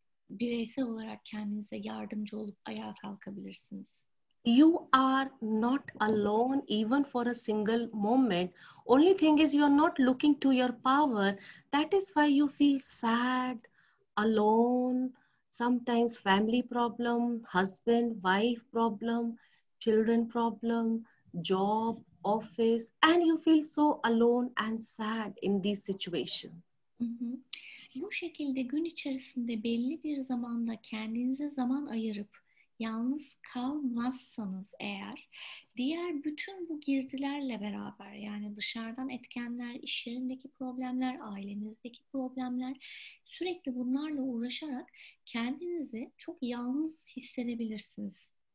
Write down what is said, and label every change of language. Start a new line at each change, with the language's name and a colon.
Turkish: bireysel olarak kendinize yardımcı olup ayağa kalkabilirsiniz.
English: You are not alone even for a single moment. Only thing is you are not looking to your power. That is why you feel sad, alone. Sometimes family problem, husband, wife problem, children problem, job, office. And you feel so alone and sad in these situations.
Turkish: Bu şekilde gün içerisinde belli bir zamanda kendinize zaman ayırıp yalnız kalmazsanız eğer, diğer bütün bu girdilerle beraber, yani dışarıdan etkenler, iş yerindeki problemler, ailenizdeki problemler, sürekli bunlarla uğraşarak kendinizi çok yalnız hissedebilirsiniz.